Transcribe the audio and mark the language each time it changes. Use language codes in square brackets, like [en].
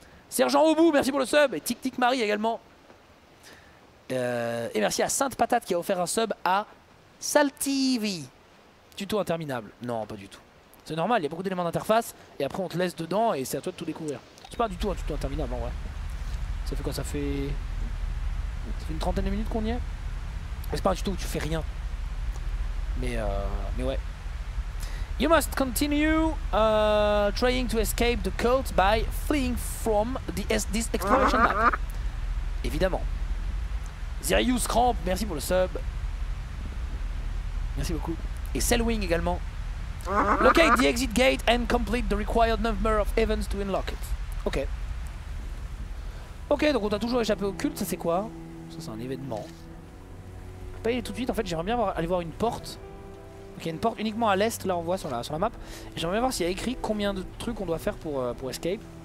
[fr] Sergent Obou, merci pour le sub, et Tic Tic Marie également. Et merci à Sainte Patate qui a offert un sub à Saltivi. Tuto interminable. Non, pas du tout. C'est normal, il y a beaucoup d'éléments d'interface, et après on te laisse dedans et c'est à toi de tout découvrir. C'est pas du tout un tuto interminable en vrai. Ça fait quoi? Ça fait une trentaine de minutes qu'on y est. C'est pas un tuto où tu fais rien. Mais ouais. [en] You must continue trying to escape the cult by fleeing from this exploration map. [fr] Évidemment. Zirius Cramp, merci pour le sub. Merci beaucoup. Et Selwing également. [en] Locate the exit gate and complete the required number of events to unlock it. Ok. [fr] Ok, donc on a toujours échappé au culte, ça c'est quoi? Ça c'est un événement. On peut pas y aller tout de suite, en fait j'aimerais bien aller voir une porte. Il y a une porte uniquement à l'est, là on voit sur la map. Et j'aimerais bien voir s'il y a écrit combien de trucs on doit faire pour escape.